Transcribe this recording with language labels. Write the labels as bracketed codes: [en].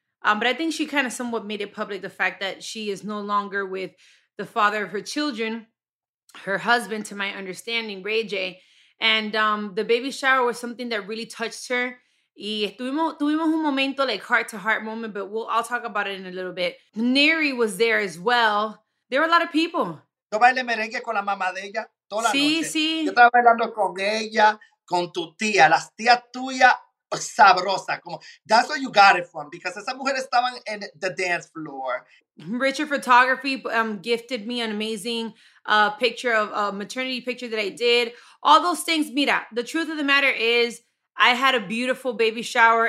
[en] But I think she kind of somewhat made it public, the fact that she is no longer with the father of her children, her husband, to my understanding, Ray J. And the baby shower was something that really touched her. [es] Y tuvimos un momento, [en] like heart-to-heart moment, but I'll talk about it in a little bit. Neri was there as well. There were a lot of people. [es] Yo bailé merengue con la mamá de ella toda la noche. Sí, sí. Yo estaba bailando con ella, con tu tía, las tías tuyas. Sabrosa, como, [en] that's where you got it from, because [es] esas mujeres estaban [en] in the dance floor. Richard Photography gifted me an amazing picture of a maternity picture that I did. All those things, [es] mira, [en] the truth of the matter is, I had a beautiful baby shower.